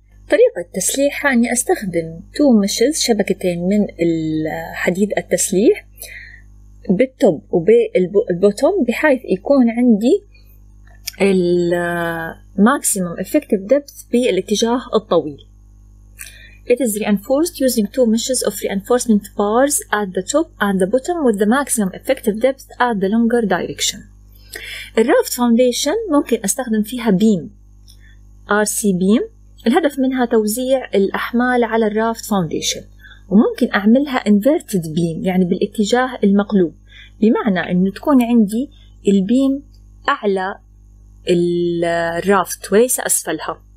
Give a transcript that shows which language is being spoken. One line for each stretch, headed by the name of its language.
Arabic: طريقة تسليحها أني أستخدم 2 meshes، شبكتين من الحديد التسليح بالتوب وبالبوتوم، بحيث يكون عندي الماكسيمم effective depth بالاتجاه الطويل.
English: It is reinforced using 2 meshes of reinforcement bars at the top and the bottom with the maximum effective depth at the longer direction.
Arabic: الرافت فاونديشن ممكن أستخدم فيها بيم RC beam، الهدف منها توزيع الأحمال على الرافت فاونديشن، وممكن أعملها inverted beam يعني بالاتجاه المقلوب، بمعنى إنه تكون عندي البيم أعلى الرافت وليس أسفلها.